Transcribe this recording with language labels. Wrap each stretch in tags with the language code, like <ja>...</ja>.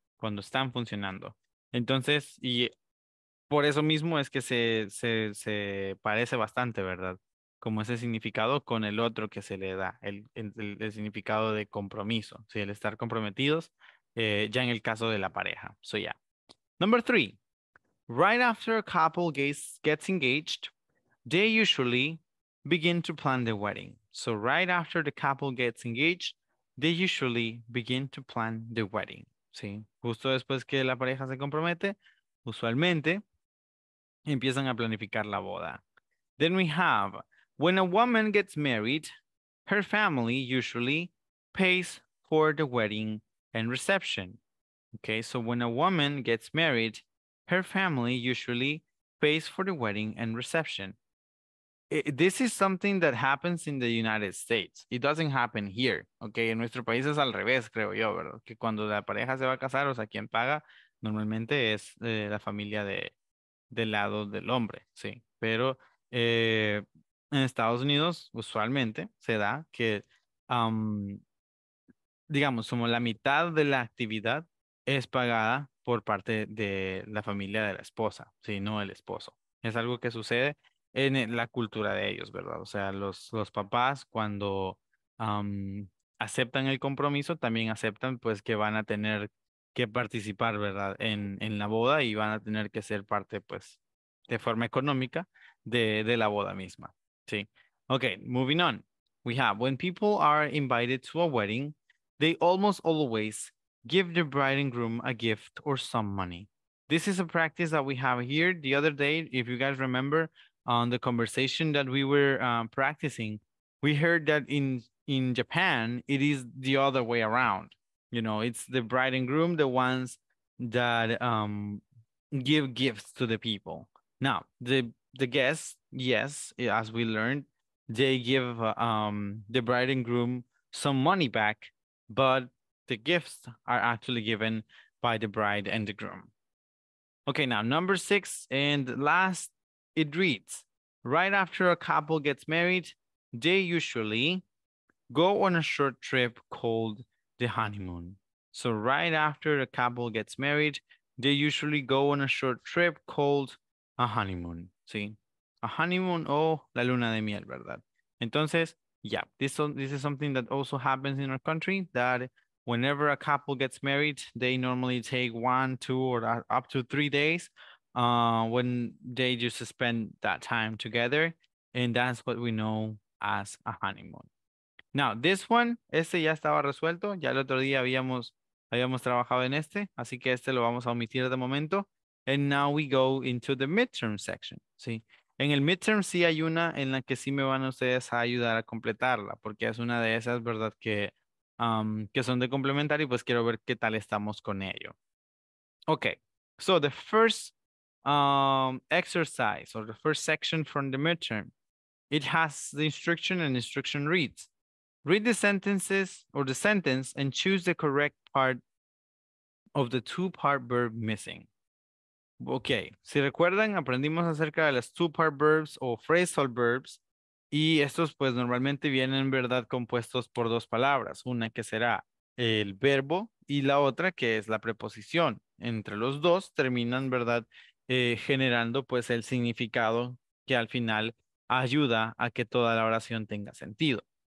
<es>Cuando están funcionando. Entonces, y por eso mismo es que se parece bastante, ¿verdad? Como ese significado con el otro que se le da, el significado de compromiso, ¿sí? El estar comprometidos, ya en el caso de la pareja.</es> <en>So, yeah. Number three, right after a couple gets engaged, they usually begin to plan the wedding. So, right after the couple gets engaged, they usually begin to plan the wedding.</en> <es>¿Sí? Justo después que la pareja se compromete, usualmente empiezan a planificar la boda.</es> <en>Then we have... When a woman gets married, her family usually pays for the wedding and reception. Okay, so when a woman gets married, her family usually pays for the wedding and reception. This is something that happens in the United States. It doesn't happen here.</en> <es>Okay, en nuestro país es al revés, creo yo, ¿verdad? Que cuando la pareja se va a casar, o sea, quien paga normalmente es la familia del lado del hombre, sí. Pero... en Estados Unidos, usualmente, se da que, digamos, como la mitad de la actividad es pagada por parte de la familia de la esposa, sino el esposo. Es algo que sucede en la cultura de ellos, ¿verdad? O sea, los papás cuando aceptan el compromiso, también aceptan pues que van a tener que participar, ¿verdad? En la boda y van a tener que ser parte pues de forma económica de la boda misma, ¿sí?</es> <en>Okay, moving on. We have, when people are invited to a wedding, they almost always give the bride and groom a gift or some money. This is a practice that we have here. The other day, if you guys remember, on the conversation that we were practicing, we heard that in Japan, it is the other way around. You know, it's the bride and groom, the ones that give gifts to the people. Now, the guests, yes, as we learned, they give the bride and groom some money back, but the gifts are actually given by the bride and the groom. Okay, now number six and last, it reads, right after a couple gets married, they usually go on a short trip called the honeymoon. So right after a couple gets married, they usually go on a short trip called a honeymoon.</en> <es>¿Sí? A honeymoon o la luna de miel, ¿verdad? Entonces,</es> <en>yeah, this is something that also happens in our country, that whenever a couple gets married, they normally take 1, 2, or up to 3 days when they just spend that time together. And that's what we know as a honeymoon. Now, this one,</en> <es>este ya estaba resuelto. Ya el otro día habíamos trabajado en este. Así que este lo vamos a omitir de momento.</es> <en>And now we go into the midterm section.</en> <es>¿Sí? En el midterm sí hay una en la que sí me van ustedes a ayudar a completarla. Porque es una de esas, ¿verdad? Que son de complementario. Y pues quiero ver qué tal estamos con ello.</es> <en>Okay. So the first exercise or the first section from the midterm. It has the instruction and instruction reads. Read the sentences or the sentence and choose the correct part of the two-part verb missing.</en> <es>Okay, si recuerdan, aprendimos acerca de las two-part verbs o phrasal verbs y estos pues normalmente vienen, ¿verdad?, compuestos por dos palabras, una que será el verbo y la otra que es la preposición. Entre los dos terminan, ¿verdad?, generando pues el significado que al final ayuda a que toda la oración tenga sentido.</es>